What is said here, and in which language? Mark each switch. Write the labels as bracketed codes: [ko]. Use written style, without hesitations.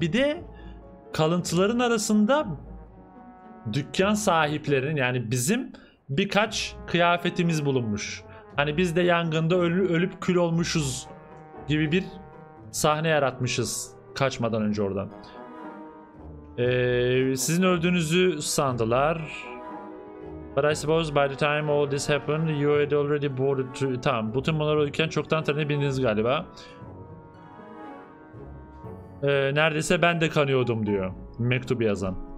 [tr] Bir de kalıntıların arasında dükkan sahiplerinin, yani bizim birkaç kıyafetimiz bulunmuş. Hani biz de yangında ölüp kül olmuşuz gibi bir sahne yaratmışız kaçmadan önce oradan. Sizin öldüğünüzü sandılar. [en] But I suppose by the time all this happened, you had already boarded to... [tr] Tamam, bütün bunlar olurken çoktan trene bindiniz galiba. Neredeyse ben de kanıyordum diyor mektubu yazan.